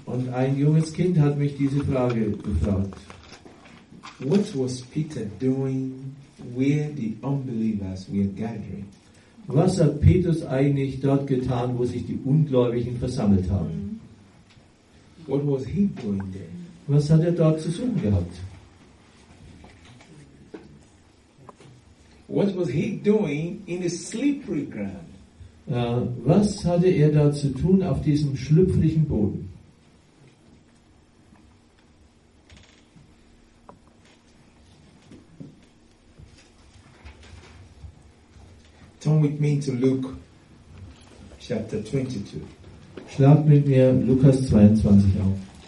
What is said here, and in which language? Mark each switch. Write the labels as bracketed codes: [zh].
[de] Und ein junges Kind hat mich diese Frage gefragt. [en] What was Peter doing where the unbelievers were gathering? [de] Was hat Petrus eigentlich dort getan, wo sich die Ungläubigen versammelt haben? [en] What was he doing there? [de] Was hat dort zu suchen gehabt? [en] What was he doing in a slippery ground? [de] Was hatte dort zu tun auf diesem schlüpfrigen Boden? [en] Turn with me to Luke chapter 22. [de] Schlag mit mir Lukas 22 auf.